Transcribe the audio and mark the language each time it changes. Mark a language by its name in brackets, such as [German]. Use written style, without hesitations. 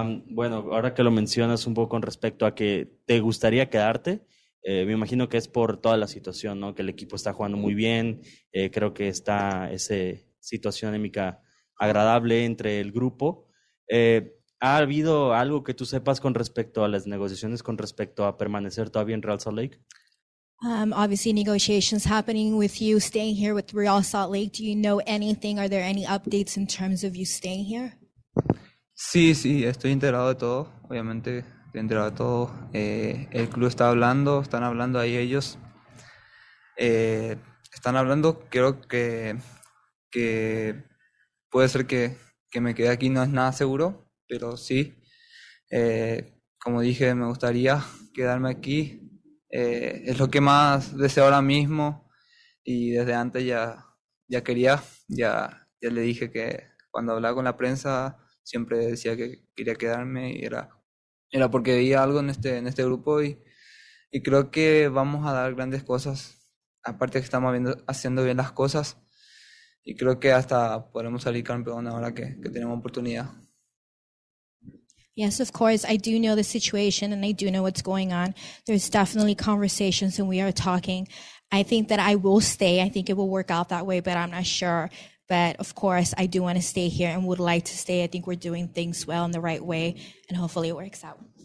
[Spanish] Bueno, ahora que lo mencionas un poco con respecto a que te gustaría quedarte, me imagino que es por toda la situación, ¿no? Que el equipo está jugando muy bien, creo que está esa situación anémica agradable entre el grupo. ¿Ha habido algo que tú sepas con respecto a las negociaciones, con respecto a permanecer todavía en Real Salt Lake? [English] Obviously, negotiations happening with you staying here with Real Salt Lake. Do you know anything? Are there any updates in terms of you staying here? [Spanish] Sí, sí, estoy enterado de todo. Obviamente, estoy enterado de todo. El club está hablando, están hablando ahí ellos. Están hablando, creo que puede ser que me quede aquí, no es nada seguro, pero sí. Como dije, me gustaría quedarme aquí. Es lo que más deseo ahora mismo y desde antes ya quería, ya le dije que cuando hablaba con la prensa siempre decía que quería quedarme y era porque veía algo en este grupo y creo que vamos a dar grandes cosas, aparte que estamos haciendo bien las cosas y creo que hasta podemos salir campeón ahora que tenemos oportunidad. [English] Yes, of course. I do know the situation and I do know what's going on. There's definitely conversations and we are talking. I think that I will stay. I think it will work out that way, but I'm not sure. But of course, I do want to stay here and would like to stay. I think we're doing things well in the right way and hopefully it works out.